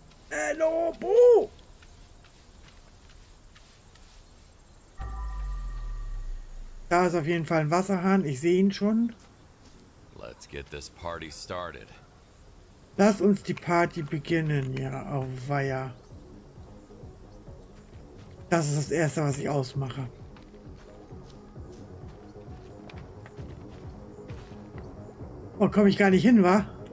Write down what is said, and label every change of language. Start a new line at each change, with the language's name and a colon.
German: Hallo, Bu! Da ist auf jeden Fall ein Wasserhahn, ich sehe ihn schon.
English: Let's get this party started.
German: Lass uns die Party beginnen, ja, auweia. Das ist das Erste, was ich ausmache. Oh, komme ich gar nicht hin, wa?